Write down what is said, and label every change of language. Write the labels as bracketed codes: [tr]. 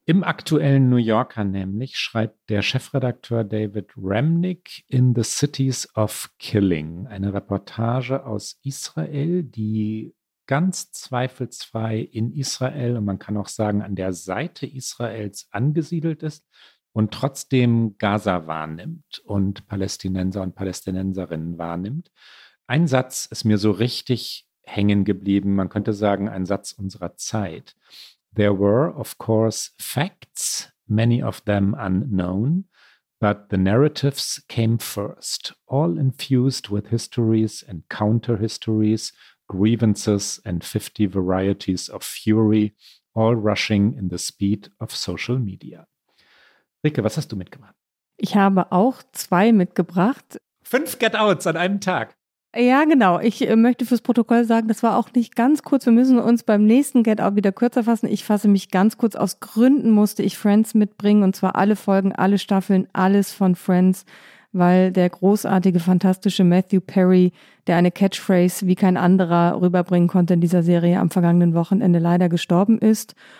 [de] Im aktuellen New Yorker nämlich schreibt der Chefredakteur David Remnick in The Cities of Killing, eine Reportage aus Israel, die ganz zweifelsfrei in Israel und man kann auch sagen an der Seite Israels angesiedelt ist und trotzdem Gaza wahrnimmt und Palästinenser und Palästinenserinnen wahrnimmt. Ein Satz ist mir so richtig hängen geblieben, man könnte sagen ein Satz unserer Zeit. [en] There were, of course, facts, many of them unknown, but the narratives came first, all infused with histories and counter-histories, grievances and 50 varieties of fury, all rushing in the speed of social media. [de] Rieke, was hast du mitgebracht? Ich habe auch zwei mitgebracht. 5 Get-Outs an einem Tag. Ja, genau. Ich möchte fürs Protokoll sagen, das war auch nicht ganz kurz. Wir müssen uns beim nächsten Get Out wieder kürzer fassen. Ich fasse mich ganz kurz. Aus Gründen musste ich Friends mitbringen und zwar alle Folgen, alle Staffeln, alles von Friends, weil der großartige, fantastische Matthew Perry, der eine Catchphrase wie kein anderer rüberbringen konnte in dieser Serie, am vergangenen Wochenende leider gestorben ist.